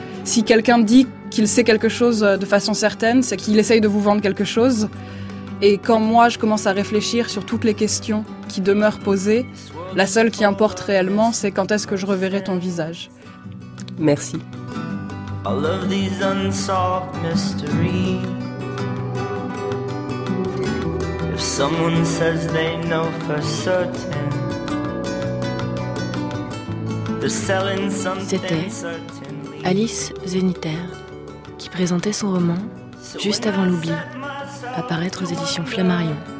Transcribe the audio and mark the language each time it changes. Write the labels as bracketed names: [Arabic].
[French] Si quelqu'un dit qu'il sait quelque chose de façon certaine, c'est qu'il essaye de vous vendre quelque chose. Et quand moi je commence à réfléchir sur toutes les questions qui demeurent posées, la seule qui importe réellement, c'est quand est-ce que je reverrai ton visage. » Merci. [English] All of these unsolved mysteries. If someone says they know for certain, they're selling something. [French] C'était Alice Zeniter qui présentait son roman Juste avant l'oubli, à paraître aux éditions Flammarion.